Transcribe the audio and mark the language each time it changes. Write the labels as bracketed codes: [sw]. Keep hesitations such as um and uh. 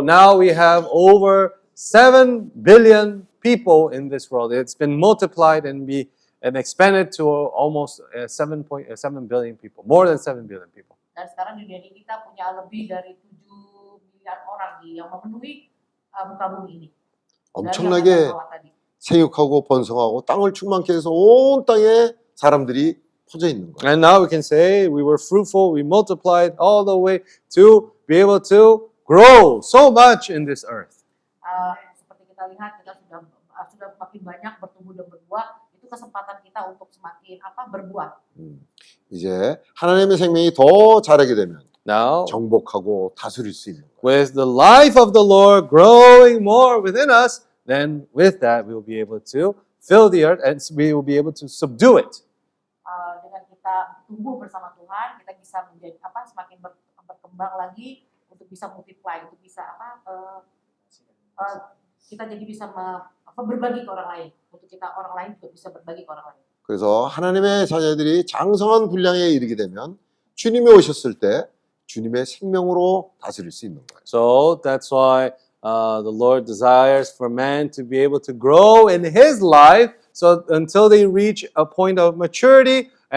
[en] now we have over 7 billion people in this world. It's been multiplied and be and expanded to almost 7.7 billion people, more than 7 billion people. [id] Dan s e k a 7 miliar orang yang 엄청나게 [ko] 생육하고 번성하고 땅을 충만케 해서 온 땅에 사람들이. [en] And now we can say we were fruitful, we multiplied all the way to be able to grow so much in this earth. [id] Uh, 세상에 kita lihat kita sudah sudah banyak bertumbuh dan berbuah, itu kesempatan kita untuk semakin apa? berbuah. [ko] 이제 하나님의 생명이 더 자라게 되면 Now, 정복하고 다스릴 수 있는. [en] With the life of the Lord growing more within us, then with that we will be able to fill the earth and we will be able to subdue it. [id] kita tumbuh bersama Tuhan, kita bisa menjadi apa semakin ber, berkembang lagi untuk bisa multiply, untuk bisa apa uh, uh, kita jadi bisa me, apa, berbagi ke orang lain, untuk kita orang lain juga bisa berbagi ke orang lain. [ko] 그래서 하나님의 자녀들이 장성한 분량에 이르게 되면 주님이 오셨을 때 주님의 생명으로 다스릴 수 있는 거예요. [en] So that's why uh, the Lord desires for man to be able to grow in His life. So until they reach a point of maturity,